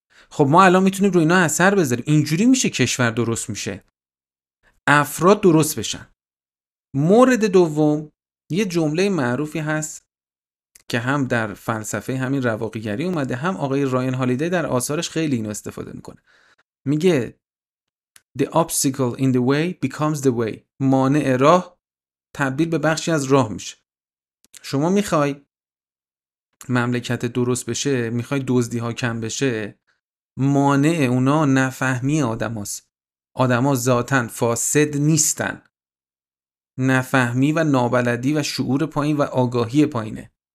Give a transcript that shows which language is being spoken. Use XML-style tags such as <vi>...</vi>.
<fa>خب ما الان میتونیم رو اینا اثر بذاریم. اینجوری میشه کشور درست میشه، افراد درست بشن. مورد دوم، یه جمله معروفی هست که هم در فلسفه همین رواقیگری اومده، هم آقای راین هالیدی در آثارش خیلی اینو استفاده میکنه.</fa> <en>میگه The obstacle in the way becomes the way.</en> <fa>مانع راه تبدیل به بخشی از راه میشه. شما میخوای مملکت درست بشه، میخوای دزدی ها کم بشه، مانع اونا نفهمی آدم هاست. آدم ها ذاتن فاسد نیستن، نفهمی و نابلدی و شعور پایین و آگاهی پایینه.</fa>